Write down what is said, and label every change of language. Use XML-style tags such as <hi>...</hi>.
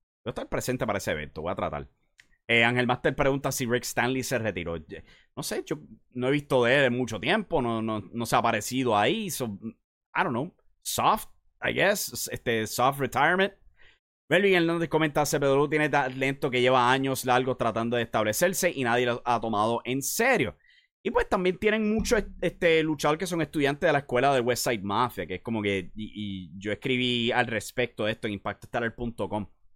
<es>Yo estoy presente para ese evento, voy a tratar. Ángel Master pregunta si Rick Stanley se retiró. No sé, yo no he visto de él en mucho tiempo, no se ha aparecido ahí.</es> <en>So, I don't know, soft, I guess, soft retirement.</en> <es>Melvin Hernández comenta: CPW tiene talento que lleva años largos tratando de establecerse y nadie lo ha tomado en serio. Y pues también tienen muchos luchadores que son estudiantes de la escuela de West Side Mafia, que es como que, y yo escribí al respecto de esto en impactostellar.com.</es>